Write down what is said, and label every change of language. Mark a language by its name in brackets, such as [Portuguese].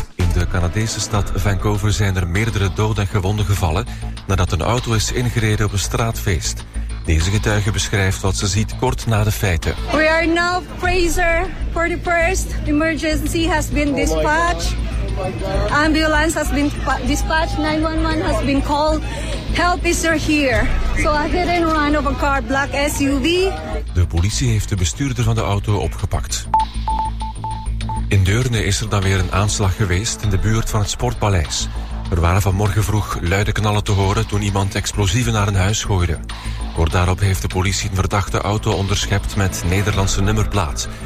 [Dutch] In de Canadese stad Vancouver zijn er meerdere doden en gewonden gevallen nadat een auto is ingereden op een straatfeest. Deze getuige beschrijft wat ze ziet kort na de feiten. [English] We are now Fraser 41st. Emergency has been dispatched. Ambulance has been dispatched. 911 has been called. Help is er here. So a hit and run of a car, black SUV. [Dutch] De politie heeft de bestuurder van de auto opgepakt. In Deurne is er dan weer een aanslag geweest in de buurt van het Sportpaleis. Er waren vanmorgen vroeg luide knallen te horen toen iemand explosieven naar een huis gooide. Kort daarop heeft de politie een verdachte auto onderschept met Nederlandse nummerplaat.